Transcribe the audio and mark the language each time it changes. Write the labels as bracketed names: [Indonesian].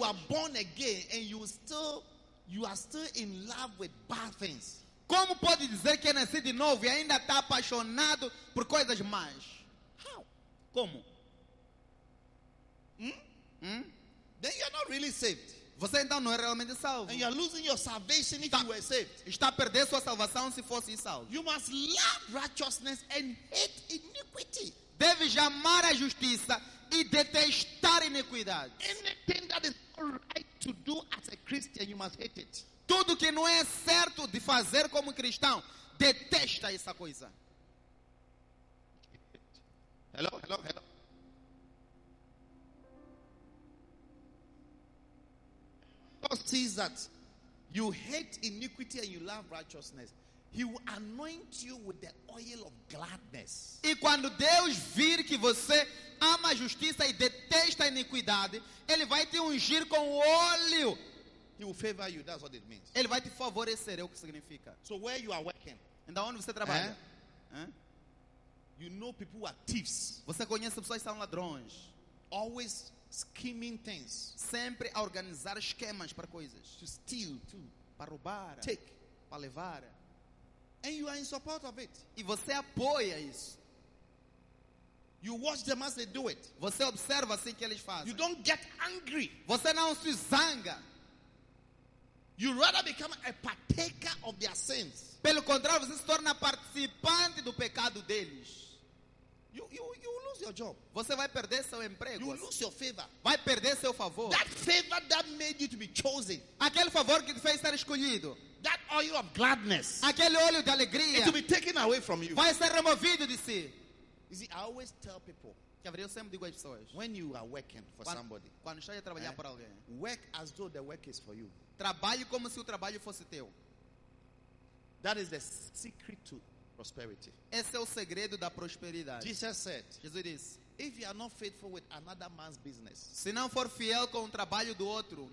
[English] You are born again and you are still in love with bad things? [Portuguese] Como pode dizer que nasci de novo e ainda está apaixonado por coisas más? [English] How? [Portuguese] Como? [English] Then you're not really saved. [Portuguese] Você então não é realmente salvo. [English] And you're losing your salvation if you were saved. [Portuguese] Está perdendo sua salvação se fosse salvo. [English] You must love righteousness and hate iniquity. [Portuguese] Deve amar a justiça e detestar iniquidade. [English] Anything that is not right to do as a Christian, you must hate it. [Portuguese] Tudo que não é certo de fazer como cristão, detesta essa coisa. [English] Hello, hello, hello. God sees that you hate iniquity and you love righteousness. He will anoint you with the oil of gladness. [Portuguese] E quando Deus vir que você ama a justiça e detesta a iniquidade, ele vai te ungir com óleo. [English] He will favor you, that's what it means. [Portuguese] Ele vai te favorecer, é o que significa. [English] So where you are working? [Portuguese] Da onde você trabalha? [English] You know people who are thieves. [Portuguese] Você conhece pessoas que são ladrões. [English] Always scheming things. [Portuguese] Sempre a organizar esquemas para coisas. [English] To steal, to [Portuguese] para roubar. [English] Take, [Portuguese] para levar. [English] And you are in support of it. [Portuguese] E você apoia isso. [English] You watch them as they do it. [Portuguese] Você observa assim que eles fazem. [English] You don't get angry. [Portuguese] Você não se zanga. [English] You rather become a partaker of their sins. [Portuguese] Pelo contrário, você se torna participante do pecado deles. [English] You lose your job. [Portuguese] Você vai perder seu emprego. [English] You lose your favor. [Portuguese] Vai perder seu favor. [English] That favor that made you to be chosen. [Portuguese] Aquele favor que te fez ser escolhido. [English] That oil of gladness. [Portuguese] Aquele óleo de alegria. [English] It will be taken away from you. [Portuguese] Vai ser removido de si. [English] You see, I always tell people. [Portuguese] Eu sempre digo às pessoas, [English] when you are working for somebody, [Portuguese] quando estás a trabalhar para alguém, [English] work as though the work is for you. [Portuguese] Trabalhe como se o trabalho fosse teu. [English] That is the secret to prosperity. [Portuguese] Esse é o segredo da prosperidade. [English] Jesus said, [Portuguese] Jesus disse, [English] if you are not faithful with another man's business, [Portuguese] se não for fiel com o trabalho do outro,